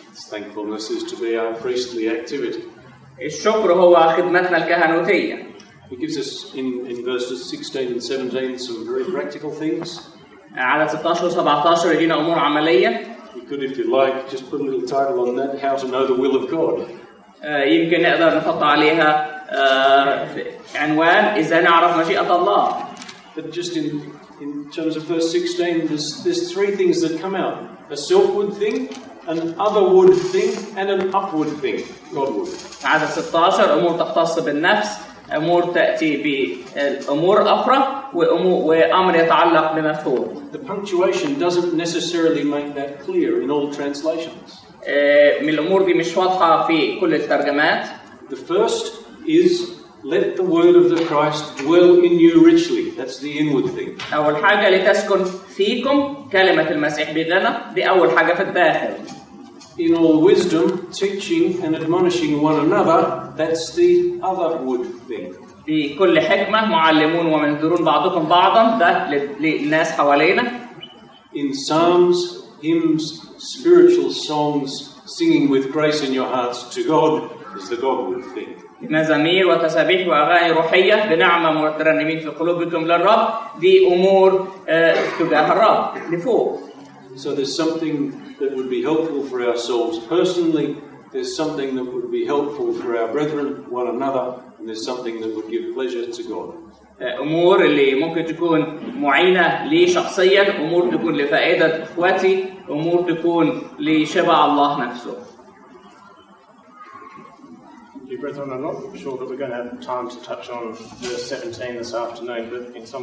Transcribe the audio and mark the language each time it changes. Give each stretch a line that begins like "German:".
English: Thankfulness is to be our priestly activity.
Arabic: الشكر هو خدمتنا الكهنوتية.
English: He gives us in verses 16 and 17 some very practical things.
Arabic: على 16 و17 يدينا أمور عملية.
English: You could, if you like, just put a little title on that, how to know the will of God.
Arabic: يمكن نقدر نحط عليها عنوان إزاي نعرف مشيئة الله.
English: But just in terms of verse 16, there's three things that come out. A selfward thing, an otherward thing, and an upward thing, Godward.
Arabic: عدد 16 أمور تختص بالنفس. أمور تأتي بأمور أخرى وأمر يتعلق بمفهوم.
English: The punctuation doesn't necessarily make that clear in all translations.
Arabic: من الأمور دي مش واضحة في كل الترجمات.
English: The first is let the word of the Christ dwell in you richly. That's the inward thing.
Arabic: أول حاجة لتسكن فيكم كلمة المسيح بغنى دي أول حاجة في الداخل.
English: In all wisdom, teaching and admonishing one another, that's the otherward thing.
Arabic: في كل حكمة معلمون ومنذرون بعضكم بعضا ده للناس حوالينا.
English: In psalms, hymns, spiritual songs, singing with grace in your hearts to God is the Godward thing.
Arabic: مزامير وتسابيح وأغاني روحية بنعمة مترنمين في قلوبكم للرب دي أمور تجاه الرب لفوق.
English: So there's something that would be helpful for ourselves personally, there's something that would be helpful for our brethren, one another, and there's something that would give pleasure to God.
Arabic: أمور اللي ممكن تكون معينة لي شخصيا, أمور تكون لفائدة إخوتي, أمور تكون لشبع الله نفسه.
English: Dear brethren, I'm not sure that we're going to have time to touch on verse 17 this afternoon, but in some way